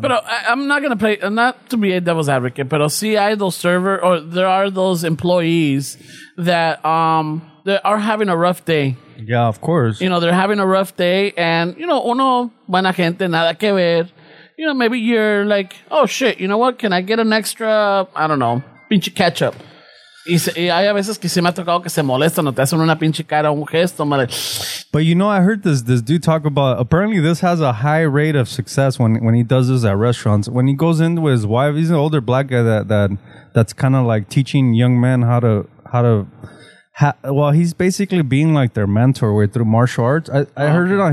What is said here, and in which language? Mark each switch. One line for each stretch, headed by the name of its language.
English: But I'm not going to play, not to be a devil's advocate, but I'll see either server or there are those employees that, they are having a rough day. Yeah, of course. You know, they're having a rough day and, you know,
Spanish: uno buena gente, nada que ver.
English: You know, maybe you're like, oh, shit, you know what? Can I get an extra, I don't know, pinche ketchup?
Spanish: Y a veces que sí me ha tocado que se molestan, no te hacen una pinche cara, un gesto.
English: But, you know, I heard this dude talk about, apparently this has a high rate of success when he does this at restaurants. When he goes in with his wife, he's an older black guy that's kind of like teaching young men how to... Well, he's basically being like their mentor way through martial arts. I heard it on.